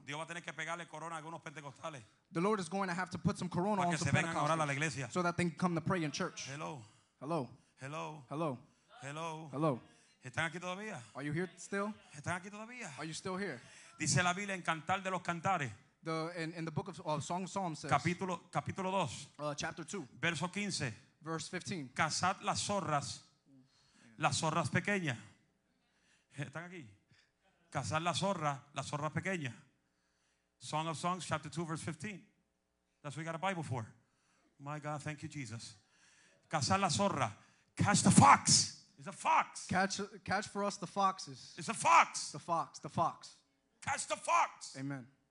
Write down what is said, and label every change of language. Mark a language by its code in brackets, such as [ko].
[es] Dios va a tener que pegarle corona a algunos pentecostales. [en] The Lord is going to have to put some corona [es] para que [en] on some [es] se vengan a orar a la iglesia. [en] So that they can come to pray in church. Hello. Hello. Hello. Hello. Hello. Hello. [es] ¿Están aquí todavía? [en] Are you here still? [es] ¿Están aquí todavía? [en] Are you still here? [es] Dice la Biblia en Cantar de los Cantares. [en] The in the book of Song of Psalms says. [es] Capítulo 2. [en] Chapter 2. [es] Verso 15. [en] Verse 15. [es] Cazad las zorras pequeñas. ¿Están aquí? Cazad las zorras pequeñas. [en] Song of Songs chapter 2 verse 15. That's what we got a Bible for. My God, thank you Jesus. [es] Cazad la zorra. [en] Catch the fox. It's a fox. Catch for us the foxes. It's a fox. The fox, the fox. Catch the fox. Amen.